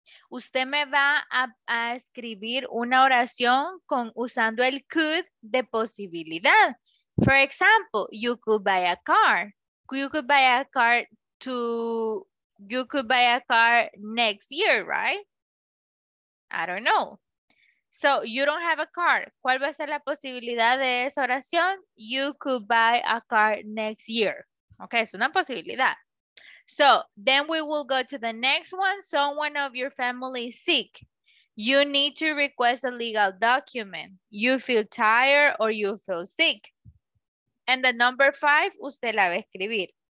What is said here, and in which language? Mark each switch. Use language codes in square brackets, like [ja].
[es] Usted me va a escribir una oración con usando el could de posibilidad. [en] For example, you could buy a car. You could buy a car next year, right? I don't know. So you don't have a car. [es] ¿Cuál va a ser la posibilidad de esa oración? [en] You could buy a car next year. Okay, [es] es una posibilidad. [en] So then we will go to the next one. Someone of your family is sick. You need to request a legal document. You feel tired or you feel sick. And the number five, [es] usted la va a escribir.